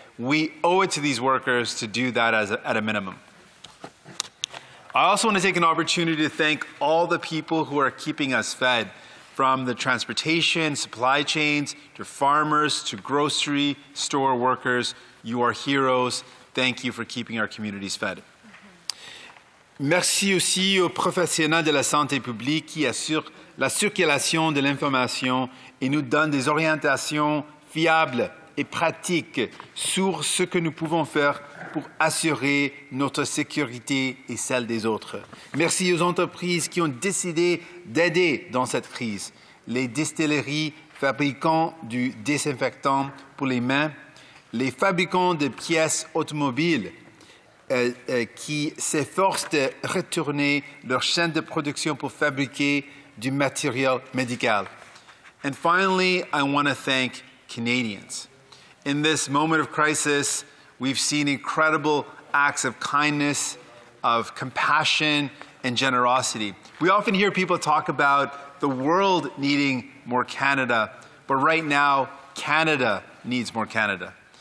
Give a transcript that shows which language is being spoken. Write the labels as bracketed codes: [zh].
[en] We owe it to these workers to do that at a minimum. I also want to take an opportunity to thank all the people who are keeping us fed, from the transportation, supply chains, to farmers, to grocery store workers. You are heroes. Thank you for keeping our communities fed. [fr] Merci aussi aux professionnels de la santé publique qui assurent la circulation de l'information et nous donnent des orientations fiables et pratiques sur ce que nous pouvons faire pour assurer notre sécurité et celle des autres. Merci aux entreprises qui ont décidé d'aider dans cette crise, les distilleries fabriquant du désinfectant pour les mains, les fabricants de pièces automobiles qui s'efforcent de retourner leur chaîne de production pour fabriquer du matériel médical. [en] And finally, I want to thank Canadians. In this moment of crisis, we've seen incredible acts of kindness, of compassion, and generosity. We often hear people talk about the world needing more Canada, but right now, Canada needs more Canada.